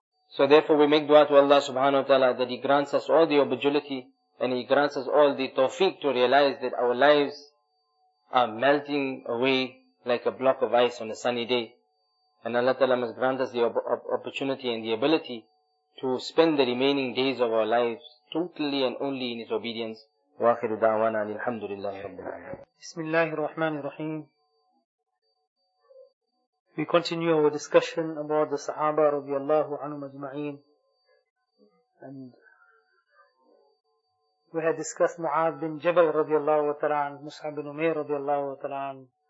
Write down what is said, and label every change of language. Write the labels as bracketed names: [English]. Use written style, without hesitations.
[English] So therefore we make dua to Allah subhanahu wa ta'ala that He grants us all the opportunity and He grants us all the tawfiq to realize that our lives are melting away like a block of ice on a sunny day. And Allah ta'ala must grant us the opportunity and the ability to spend the remaining days of our lives totally and only in His obedience. [Arabic] وآخر دعوانا أن الحمد لله رب العالمين. بسم الله الرحمن الرحيم. [English] We continue our discussion about the Sahaba [Arabic] رضي الله عنهم أجمعين. [English] And we had discussed Mu'adh bin Jabal [Arabic] رضي الله تعالى عنه, [English] Mus'ab bin Umair رضي الله تعالى عنه.